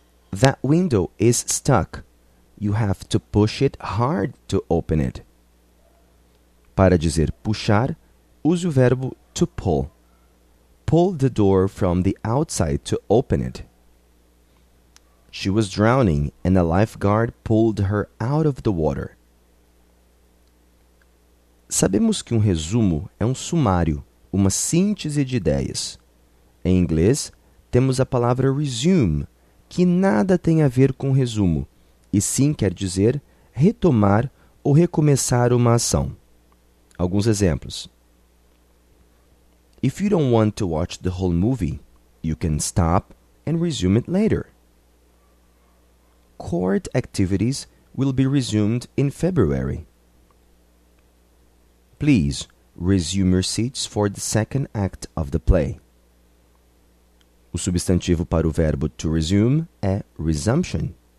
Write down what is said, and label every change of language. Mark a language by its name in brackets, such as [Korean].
[English] That window is stuck. You have to push it hard to open it. [Portuguese] Para dizer puxar, use o verbo to pull. [English] Pull the door from the outside to open it. She was drowning and a lifeguard pulled her out of the water. [Portuguese] Sabemos que um resumo é um sumário, uma síntese de ideias. Em inglês, temos a palavra resume, que nada tem a ver com resumo, e sim quer dizer retomar ou recomeçar uma ação. Alguns exemplos. [English] If you don't want to watch the whole movie, you can stop and resume it later. Court activities will be resumed in February. Please resume your seats for the second act of the play. [Portuguese] O substantivo para o verbo to resume é resumption.